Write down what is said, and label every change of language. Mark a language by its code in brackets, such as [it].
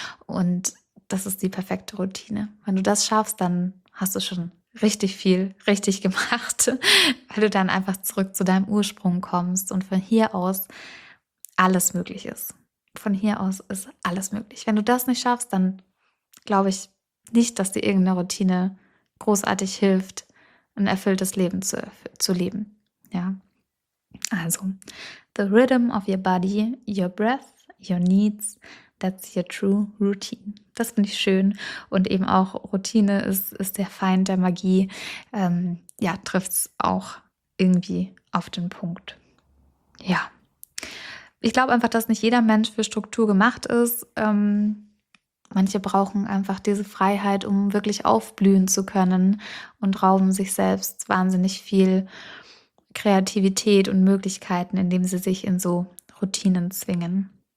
[de] Und das ist die perfekte Routine. Wenn du das schaffst, dann hast du schon richtig viel richtig gemacht, weil du dann einfach zurück zu deinem Ursprung kommst und von hier aus alles möglich ist. Von hier aus ist alles möglich. Wenn du das nicht schaffst, dann glaube ich nicht, dass dir irgendeine Routine großartig hilft, ein erfülltes Leben zu leben. Ja. [en] Also, the rhythm of your body, your breath, your needs, that's your true routine. [de] Das finde ich schön. Und eben auch Routine ist der Feind der Magie. Ja, trifft es auch irgendwie auf den Punkt. Ja. Ich glaube einfach, dass nicht jeder Mensch für Struktur gemacht ist. Manche brauchen einfach diese Freiheit, um wirklich aufblühen zu können und rauben sich selbst wahnsinnig viel Kreativität und Möglichkeiten, indem sie sich in so Routinen zwingen.